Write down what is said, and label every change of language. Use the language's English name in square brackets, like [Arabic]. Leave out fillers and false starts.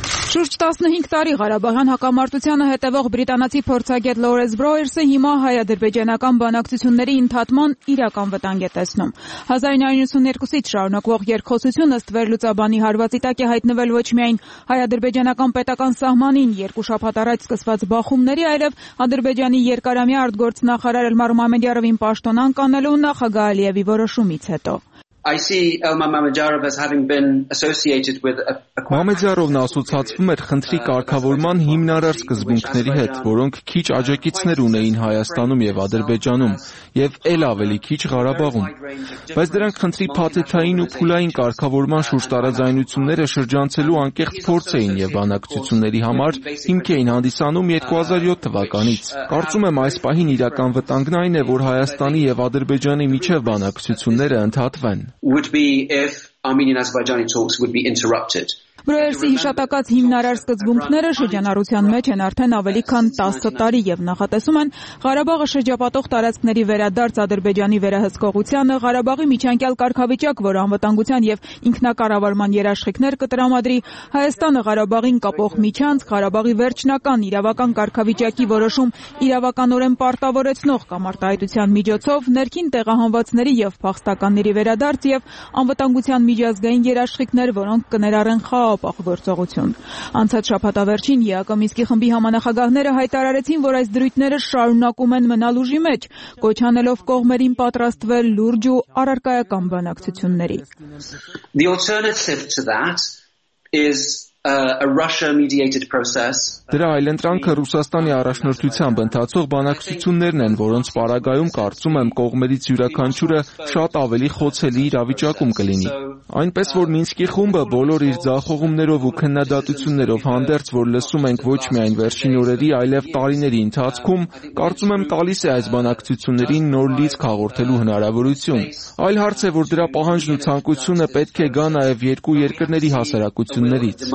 [Armenian] Շուրջ 15 տարի Ղարաբաղյան հակամարտությանը հետևող բրիտանացի փորձագետ Լորենս Բրոերսը հիմա հայ-ադրբեջանական բանակցությունների ընդհատման իրական վտանգ է տեսնում։ 1992-ից շարունակվող երկխոսությունը ըստ վերլուծաբանի հարվածի տակ է հայտնվել ոչ միայն հայ-ադրբեջանական պետական սահմանին երկու շաբաթ առաջ սկսված բախումների, այլև Ադրբեջանի երկարամյա արտգործնախարար Էլմար Մամեդյարովին պաշտոն անկանելու նախագահ Ալիևի որոշումից հետո։ [English] I see Elmar Mamedyarov as having been associated with a [Armenian] Mamedyarov-ն ասոցացվում էր խնդրի կարգավորման հիմնարար սկզբունքների հետ, որոնք քիչ աջակիցներ ունեին Հայաստանում եւ Ադրբեջանում եւ ել ավելի քիչ Ղարաբաղում։ Բայց դրանք խնդրի փաթեթային ու փուլային կարգավորման շուրջ տարաձայնությունները շրջանցելու անկեղծ փորձ էին եւ բանակցությունների համար հիմք էին հանդիսանում 2007 թվականից։ Կարծում եմ այս պահին իրական վտանգն այն է, որ Հայաստանի եւ Ադրբեջանի միջև բանակցությունները ընդհատվեն։ [English] Would be if Armenian-Azerbaijani talks would be interrupted. [Armenian] Բրոյերսի հիշատակած հիմնարար սկզբունքները շրջանառության մեջ են արդեն ավելի քան 10 տարի եւ նախատեսում են Ղարաբաղը շրջապատող տարածքների վերադարձ Ադրբեջանի վերահսկողությանը, Ղարաբաղի միջանկյալ կարգավիճակ, որը անվտանգության եւ ինքնակառավարման երաշխիքներ կտրամադրի, Հայաստանը Ղարաբաղին կապող միջանցք, Ղարաբաղի վերջնական իրավական կարգավիճակի որոշում իրավականորեն պարտավորեցնող կամարտահայտության միջոցով ներքին տեղահանվածների եւ փախստականների վերադարձ եւ անվտանգության միջազգային երաշխիքներ, որոնք կներառեն խաղապահ գործողություն։ Անցած շաբաթավերջին ԵԱԿ-ի Մինսկի խմբի համանախագահները հայտարարեցին, որ այս դրույթները շարունակում են մնալ ուժի մեջ, կոչանելով կողմերին պատրաստվել լուրջ ու առարկայական բանակցությունների։ [English] The alternative to that is a Russia-mediated process. [Armenian] Դրա այլընտրանքը Ռուսաստանի առաջնորդությամբ ընթացող բանակցություններն են, որոնց պարագայում կարծում եմ կողմերից յուրաքանչյուրը շատ ավելի խոցելի իրավիճակում կլինի։ Այնպես որ Մինսկի խումբը բոլոր իր ձախողումներով ու քննադատություններով հանդերձ, որ լսում ենք ոչ միայն վերջին օրերի, այլև տարիների ընթացքում, կարծում եմ տալիս է այս բանակցություններին նոր լիցք հաղորդելու հնարավորություն։ Այլ հարց է, որ դրա պահանջն ու ցանկությունը պետք է գա նաև երկու երկրների հասարակություններից։